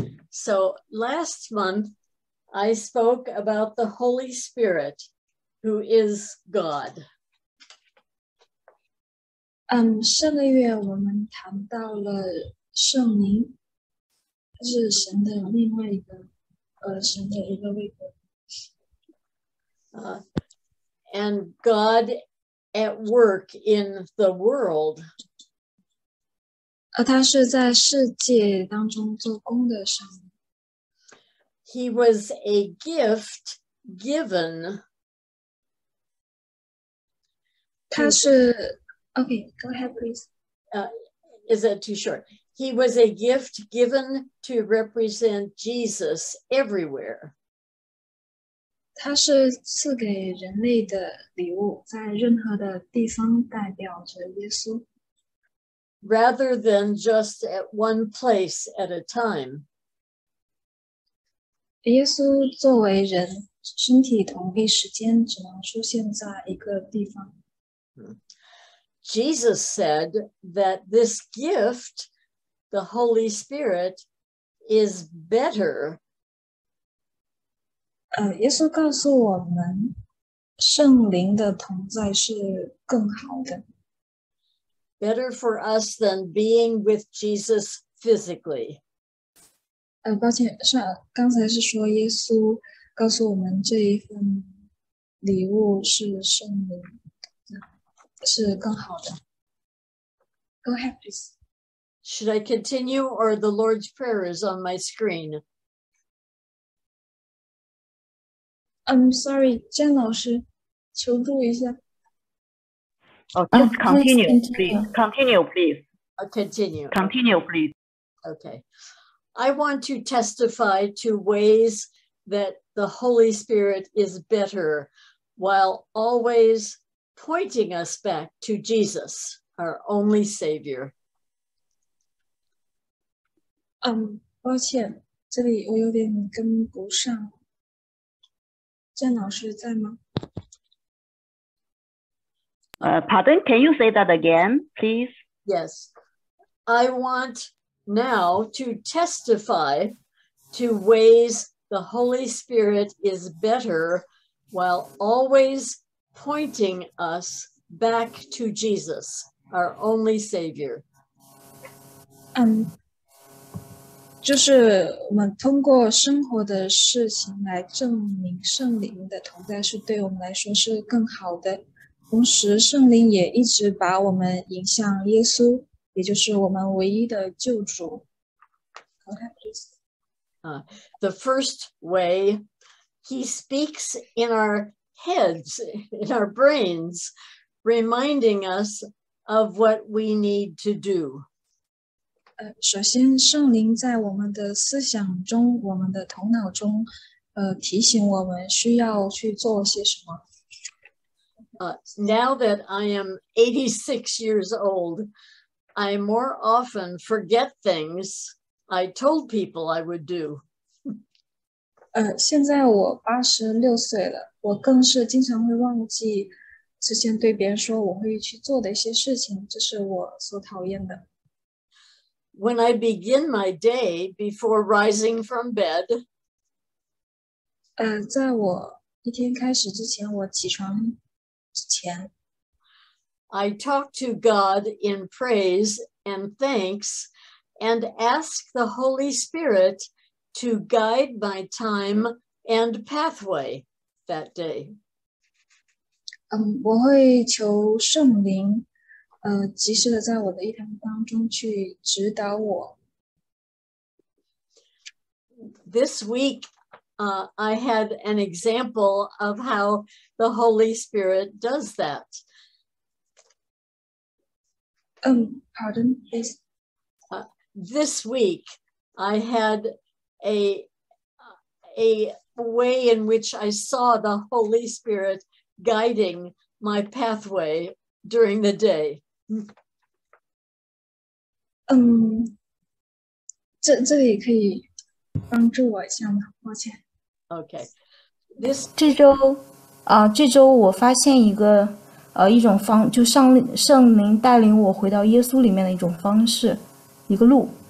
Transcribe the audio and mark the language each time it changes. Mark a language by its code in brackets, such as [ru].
[en] So last month, I spoke about the Holy Spirit, who is God. [zh] 上个月我们谈到了圣灵，它是神的另外一个，神的一个位格。 [en] And God at work in the world. [zh] 他是在世界当中做工的神。 [en] He was a gift given. [zh] 他是 [en] okay, go ahead, please. Is that too short? He was a gift given to represent Jesus everywhere. [zh] 他是赐给人类的礼物，在任何的地方代表着耶稣。 [en] Rather than just at one place at a time. [zh] 耶稣作为人，身体同一时间只能出现在一个地方。 [en] Jesus said that this gift, the Holy Spirit, is better. [zh] 耶稣告诉我们，圣灵的同在是更好的。 [en] Better for us than being with Jesus physically. [zh] 抱歉，是刚才是说耶稣告诉我们这一份礼物是圣灵。是更好的。 [en] Go ahead, please. Should I continue or the Lord's Prayer is on my screen? I'm sorry, Jen [zh] 老师，求助一下。 [en] Oh, just continue, please. Continue, please. Continue. Continue, please. Okay. I want to testify to ways that the Holy Spirit is better while always pointing us back to Jesus, our only Savior. [zh] 抱歉，这里我有点跟不上。郑老师在吗？ [en] Pardon, can you say that again, please? Yes. I want now to testify to ways the Holy Spirit is better while always pointing us back to Jesus, our only Savior. [zh] 就是我们通过生活的事情来证明圣灵的同在是对我们来说是更好的，同时圣灵也一直把我们引向耶稣，也就是我们唯一的救主。 [en] The first way, he speaks in our heads, in our brains, reminding us of what we need to do. [zh] 首先圣灵在我们的思想中，我们的头脑中，提醒我们需要去做些什么。 [en] Now that I am 86 years old, I more often forget things I told people I would do. [zh] 现在我86岁了，我更是经常会忘记之前对别人说我会去做的一些事情，这是我所讨厌的。 [en] When I begin my day before rising from bed, [zh] 在我一天开始之前，我起床之前， [en] I talk to God in praise and thanks and ask the Holy Spirit to guide my time and pathway that day. [zh] 我会求圣灵及时的在我的一天当中去指导我。 [en] This week, I had an example of how the Holy Spirit does that. Pardon, please. This week, I had a way in which I saw the Holy Spirit guiding my pathway during the day. [zh] 这里可以帮助我一下吗？抱歉。 [en] Okay. [zh] 这周我发现一种方，就圣灵带领我回到耶稣里面的一种方式，一个路。